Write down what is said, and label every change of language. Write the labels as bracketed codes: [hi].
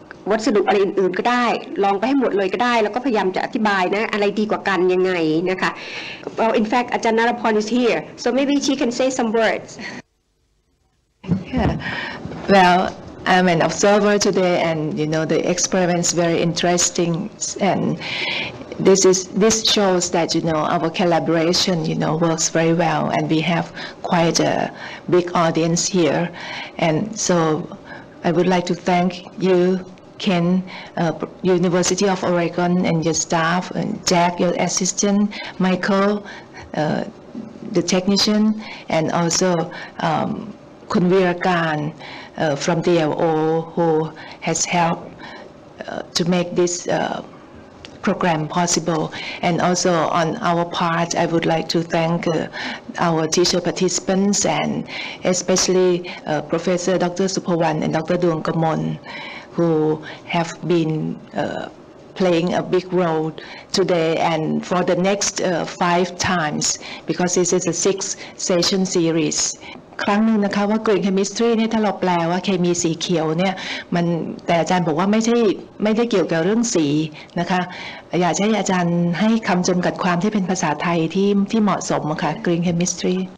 [th] วัสดุอะไรอื่นๆก็ได้ลองไปให้หมดเลยก็ได้แล้วก็พยายามจะอธิบายนะอะไรดีกว่ากันยังไงนะคะ [en] Well, in fact, [th] อาจารย์ณรพร [en] is here. So maybe she can say some words. Yeah. Well, I'm an observer today and, you know, the experiment's very interesting. And this shows that, you know, our collaboration, you know, works very well. And we have quite a big audience here. And so I would like to thank you. Ken, University of Oregon, and your staff, and Jack, your assistant, Michael, the technician, and also Khun Virakan from DLO, who has helped to make this program possible. And also on our part, I would like to thank our teacher participants, and especially Professor Dr. Supawan and Dr. Duong Kamon. Who have been playing a big role today and for the next five times because this is a six session series [th] ครั้งนึงนะคะว่า green chemistry เนี่ยถ้าเราแปลว่าเคมีสีเขียวเนี่ยมันแต่อาจารย์บอกว่าไม่ได้เกี่ยวกับเรื่องสีนะคะอยากให้อาจารย์ให้คำจำกัดความที่เป็นภาษาไทยที่เหมาะสมอะค่ะ green chemistry